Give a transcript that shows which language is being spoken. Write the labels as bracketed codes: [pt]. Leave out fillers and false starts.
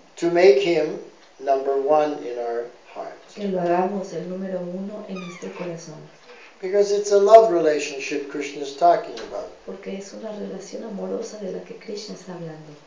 [en] to make him number one in our heart. [es] Que lo hagamos el número uno en nuestro corazón. [en] Because it's a love relationship Krishna is talking about. [es] Porque es una relación amorosa de la que Krishna está hablando.